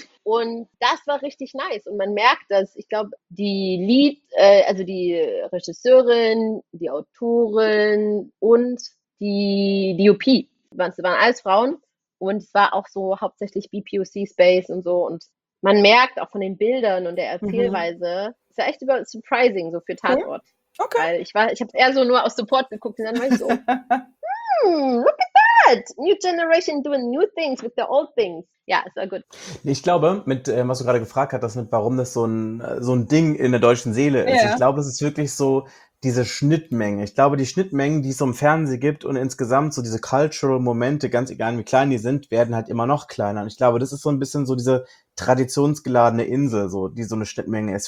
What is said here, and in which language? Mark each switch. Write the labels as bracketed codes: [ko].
[de] Und das war richtig nice. Und man merkt, dass, ich glaube, die Lead, also die Regisseurin, die Autorin und die DOP, das waren alles Frauen. Und es war auch so hauptsächlich BPOC-Space und so. Und man merkt auch von den Bildern und der Erzählweise, es war echt surprising so für Tatort. Okay. Weil ich habe eher so nur aus Support geguckt. Und dann war ich so, [en] look at that. New generation doing new things with the old things. [de] Ja, ist war gut. Ich glaube, mit was du gerade gefragt hast, warum das so ein Ding in der deutschen Seele ist. Yeah. Ich glaube, es ist wirklich so diese Schnittmenge. Ich glaube, die Schnittmengen, die es im Fernsehen gibt und insgesamt so diese cultural Momente, ganz egal wie klein die sind, werden halt immer noch kleiner. Und ich glaube, das ist so ein bisschen so diese traditionsgeladene Insel, so die so eine Schnittmenge ist.